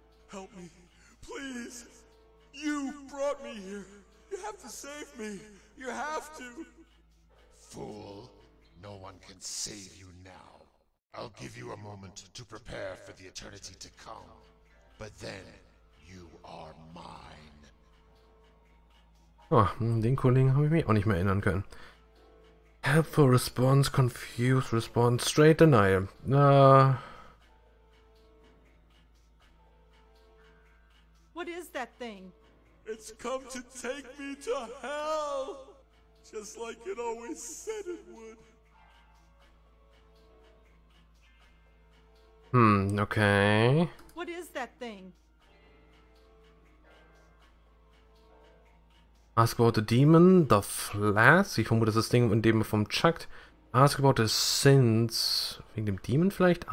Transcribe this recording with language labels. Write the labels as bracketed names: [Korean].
[English] Help me, please. You brought me here. You have to save me. You have to. Fool, no one can save you now. I'll give you a moment to prepare for the eternity to come. But then, you are mine. [German] Oh, den Kollegen habe ich mich auch nicht mehr erinnern können. [English] Helpful response, confused response, straight denial. What is that thing? It's come to take me to hell! Just like it always said it would. Okay. What is that thing? Ask about the demon, the flask. [German] Ich vermute, das ist das Ding, in dem man vom Chuckt. [English] Ask about the sins. [German] Wegen dem Demon vielleicht?